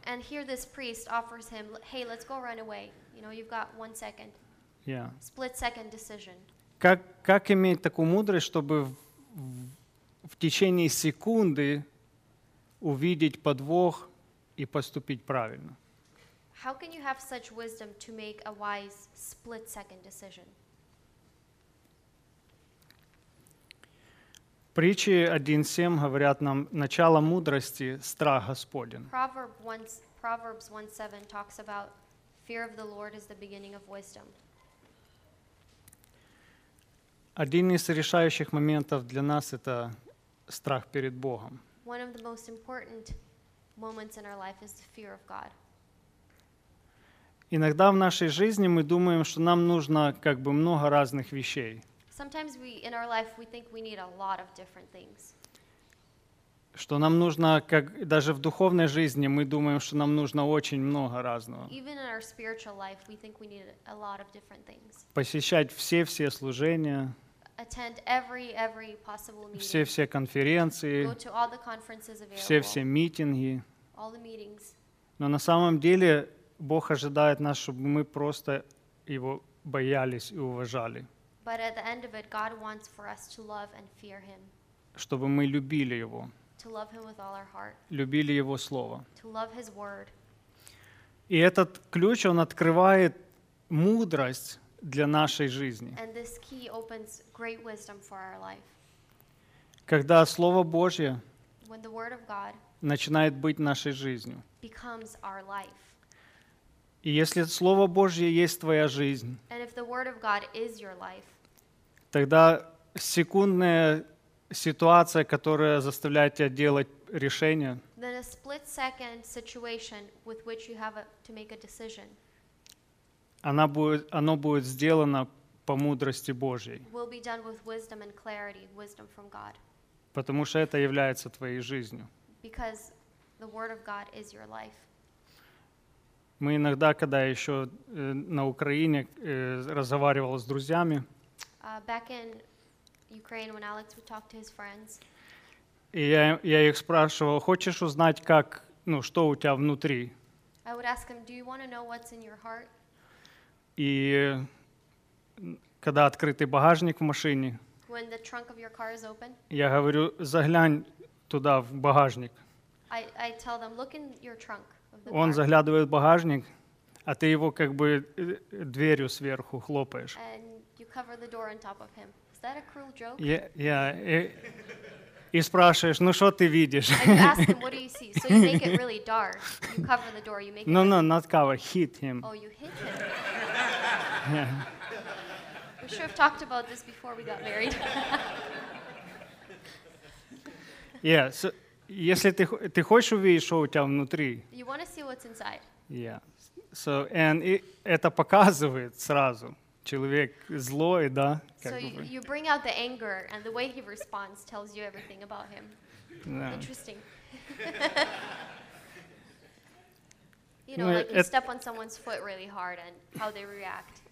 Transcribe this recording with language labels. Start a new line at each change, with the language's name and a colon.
English: And here this priest offers him, hey, let's go run away. You know, you've got 1 second. Yeah. Split second decision.
Russian: Как иметь такую мудрость, чтобы в течение секунды увидеть подвох и поступить правильно.
English: How can you have such wisdom to make a wise split-second decision?
Russian: Притчи 1:7 говорят нам, начало мудрости – страх Господен.
English: Proverbs 1:7 talks about fear of the Lord is the beginning of wisdom.
Russian: Один из решающих моментов для нас – это страх перед Богом.
English: One of the most important moments in our life is the fear of God.
Russian: Иногда в нашей жизни мы думаем, что нам нужно как бы много разных вещей.
English: Sometimes we in our life we think we need a lot of different things.
Russian: Что нам нужно как даже в духовной жизни мы думаем, что нам нужно очень много разного.
English: Even in our spiritual life we think we need a lot of different things.
Russian: Посещать все служения.
English: Attend every possible meeting.
Russian: Все конференции.
English: Go to all the conferences available.
Russian: Все митинги.
English: All the meetings.
Russian: Но на самом деле Бог ожидает нас, чтобы мы просто его боялись и уважали.
English: But at the end of it, God wants for us to love and fear Him.
Russian: Чтобы мы любили Его.
English: To love Him with all our heart.
Russian: Любили Его Слово.
English: To love His Word.
Russian: И этот ключ, он открывает мудрость для нашей жизни.
English: And this key opens great wisdom for our life.
Russian: Когда Слово Божье
English: When the Word of God
Russian: начинает быть нашей жизнью.
English: Becomes our life.
Russian: И если Слово Божье есть твоя жизнь,
English: And if the Word of God is your life,
Russian: тогда секундная ситуация, которая заставляет тебя делать решение,
English: then a split-second situation with which you have to make a decision
Russian: оно будет сделано по мудрости Божьей.
English: Will be done with wisdom and clarity, wisdom from God.
Russian: Потому что это является твоей жизнью.
English: Because the Word of God is your life.
Russian: Мы иногда, когда еще на Украине разговаривал с друзьями,
English: back in Ukraine, when Alex would talk to his friends,
Russian: и я их спрашивал, хочешь узнать, как, ну, что у тебя внутри?
English: I would ask him, do you want to know what's in your heart?
Russian: И когда открытый багажник в машине,
English: when the trunk of your car is open,
Russian: я говорю, заглянь туда, в багажник.
English: I tell them, look in your trunk.
Russian: Он заглядывает в багажник, а ты его как бы дверью сверху хлопаешь.
English: And you cover the door on top of him. Is that a cruel joke?
Russian: И спрашиваешь, ну что ты видишь?
English: And you ask him, what do you see? So you make it really dark. You cover the door, you make no, it... No, not cover, hit him. Oh, you hit him. Yeah. We should have talked about this before we got married. Yeah, so...
Russian: Если ты хочешь увидеть, что у тебя внутри.
English: You want to see what's inside. Yeah. So, and
Russian: это показывает сразу. Человек злой, да?
English: So you bring out the anger, and the way he responds tells you everything about him. Yeah. Interesting. You know, like you step on someone's foot really hard, and how they react.